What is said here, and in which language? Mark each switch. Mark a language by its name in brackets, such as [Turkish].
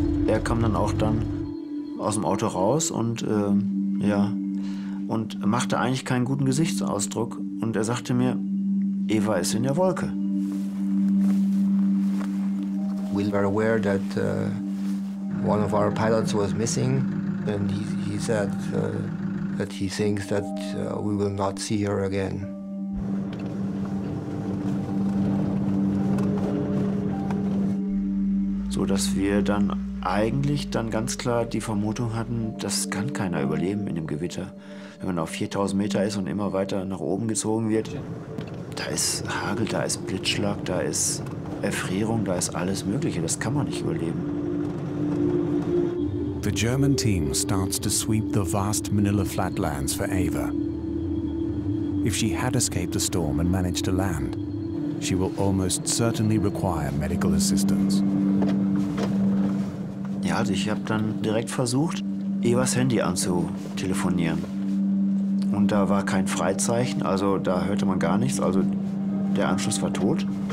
[German] Er kam dann auch dann aus dem Auto raus und ja und machte eigentlich keinen guten Gesichtsausdruck und er sagte mir, Eva ist in der Wolke. [English] We were aware that one of our pilots was missing and he said that he thinks that we will not see her again. [German] So dass wir dann eigentlich dann ganz klar die Vermutung hatten, das kann keiner überleben in dem Gewitter. Wenn man auf 4000 Meter ist und immer weiter nach oben gezogen wird, da ist Hagel, da ist Blitzschlag, da ist Erfrierung, da ist alles Mögliche. Das kann man nicht überleben. [English] The German team starts to sweep the vast Manila flatlands for Eva. If she had escaped the storm and managed to land, she will almost certainly require medical assistance. [German] Ja, also ich habe dann direkt versucht, Evas Handy anzutelefonieren. Und da war kein Freizeichen, also da hörte man gar nichts, also der Anschluss war tot.